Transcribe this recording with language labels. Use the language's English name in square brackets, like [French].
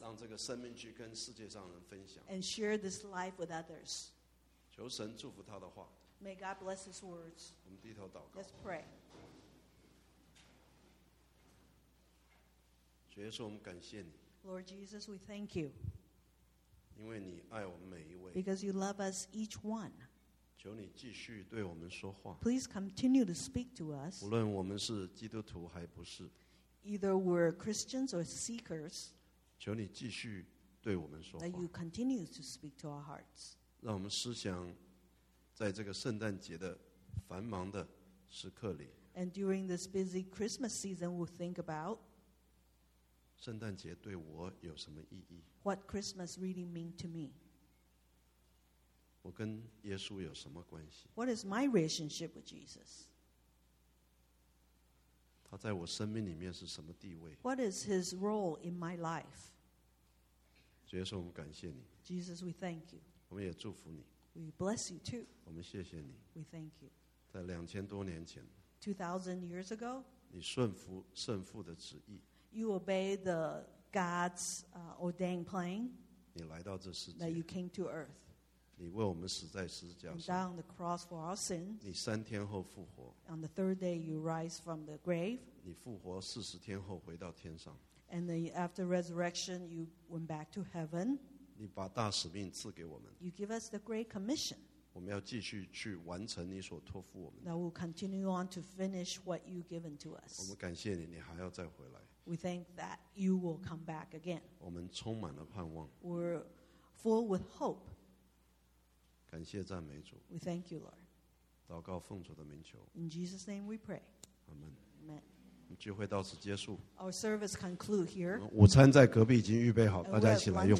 [Chinese] 让这个生命去跟世界上人分享 [English] and share this life with others [Chinese] 求神祝福他的话 [English] may God bless his words [Chinese] 我们低头祷告 [English] let's pray [Chinese] 主耶稣我们感谢你 [English] Lord Jesus we thank you [Chinese] 因为你爱我们每一位 [English] because you love us each one [Chinese] 求你继续对我们说话。 [English] Please continue to speak to us. [Chinese] 无论我们是基督徒还不是。 [English] Either we're Christians or seekers. [Chinese] 求你继续对我们说话。 [English] That you continue to speak to our hearts. [Chinese] 让我们思想在这个圣诞节的繁忙的时刻里。 [English] And during this busy Christmas season, we'll think about. [Chinese] 圣诞节对我有什么意义？ [English] What Christmas really mean to me? [Chinese] 我跟耶稣有什么关系？ [English] What is my relationship with Jesus? [Chinese] 他在我生命里面是什么地位？ [English] What is his role in my life? [Chinese] 主耶稣，我们感谢你。 [English] Jesus, we thank you. [Chinese] 我们也祝福你。 [English] We bless you too. [Chinese] 我们谢谢你。 [English] We thank you. [Chinese] 在2000多年前， [English] 2000 years ago, [Chinese] 你顺服圣父的旨意。 [English] You obey the God's ordained plan. [Chinese] 你来到这世界。 [English] That you came to earth. [Chinese] 你为我们死在十字架上。 [English] Die on the cross for our sins. [Chinese] 你三天后复活。 [English] On the third day you rise from the grave. [Chinese] 你复活四十天后回到天上。 [English] And then after resurrection you went back to heaven. [Chinese] 你把大使命赐给我们。 [English] You give us the great commission. [Chinese] 我们要继续去完成你所托付我们。 [English] That we'll continue on to finish what you given to us. [Chinese] 我们感谢你，你还要再回来。 [English] We thank that you will come back again. [Chinese] 我们充满了盼望。 [English] We're full with hope. [Chinese] 感谢赞美主。 [English] We thank you, Lord. [Chinese] 祷告奉主的名求。 [English] In Jesus' name we pray. Amen. Amen. [Chinese] 我们聚会到此结束。 [English] Our service conclude here. [Chinese] 午餐在隔壁已经预备好，大家一起来用。